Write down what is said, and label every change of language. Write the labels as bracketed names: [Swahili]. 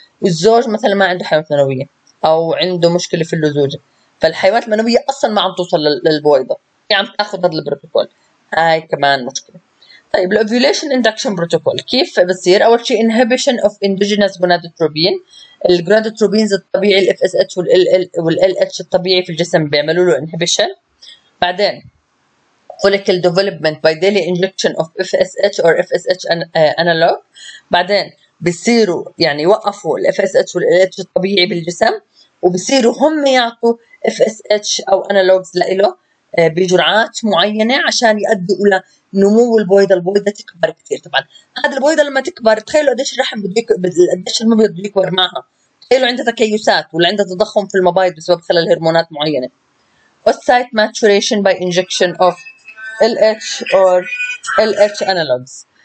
[Arabic] الزوج مثلا ما عنده حيوانات منويه او عنده مشكله في اللزوجه، فالحيوانات المنويه اصلا ما عم توصل للبويضه، هي عم تاخذ هذا البروتوكول، هاي كمان مشكله. طيب الاوفيوليشن اندكشن بروتوكول كيف بصير؟ اول شيء [English] inhibition of endogenous gonadotropin, [Arabic] الجونادوتروبينز الطبيعي الاف اس اتش والال اتش الطبيعي في الجسم بيعملوا له انهبيشن. بعدين [English] follicle development by daily injection of FSH or FSH analog. [Arabic] بعدين بصيروا يعني يوقفوا ال FSH وال LH الطبيعي بالجسم، وبصيروا هم يعطوا FSH أو analogs لإله بجرعات معينة عشان يؤدوا إلى نمو البويضة، البويضة تكبر كثير. طبعا هذه البويضة لما تكبر تخيلوا قديش الرحم بده قديش المبيض بده يكبر معها، تخيلوا عندها تكيسات ولا عندها تضخم في المبايض بسبب خلل هرمونات معينة. [English] Oocyte maturation by injection of LH or LH analogs.